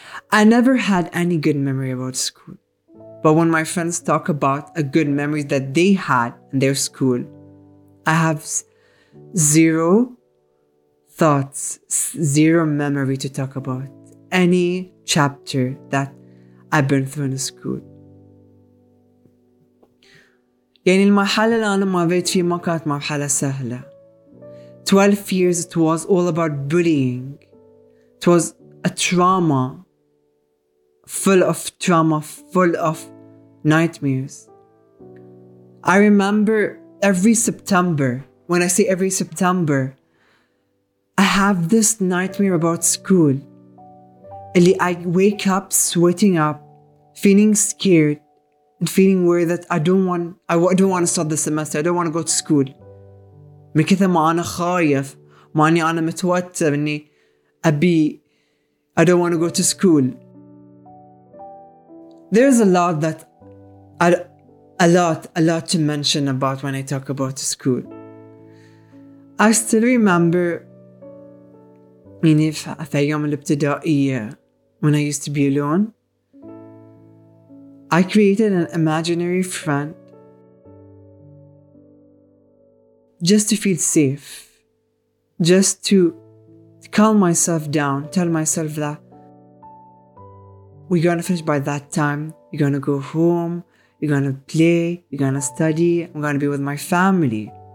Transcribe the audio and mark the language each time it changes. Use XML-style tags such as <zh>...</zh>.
<en>I never had any good memory about school. But when my friends talk about a good memory that they had in their school, I have zero thoughts, zero memory to talk about any chapter that I've been through in school.</en> <ar>يعني المرحلة اللي أنا مريت فيه ما كانت مرحلة سهلة.</ar> <en>12 years it was all about bullying. It was a trauma, full of trauma, full of nightmares. I remember every September, when I say every September, I have this nightmare about school. اللي I wake up sweating up, feeling scared, and feeling worried that I don't want to start the semester, I don't want to go to school.</en> <ar>من كثر ما أنا خايف, ما أني أنا متوتر, أني أبي,</ar> <en>I don't want to go to school. There's a lot to mention about when I talk about school. I still remember,</en> <ar>يعني في أيام الابتدائية,</ar> <en>when I used to be alone, I created an imaginary friend just to feel safe, just to calm myself down, tell myself that we're gonna finish by that time, you're gonna go home, you're gonna play, you're gonna study, I'm gonna be with my family.</en>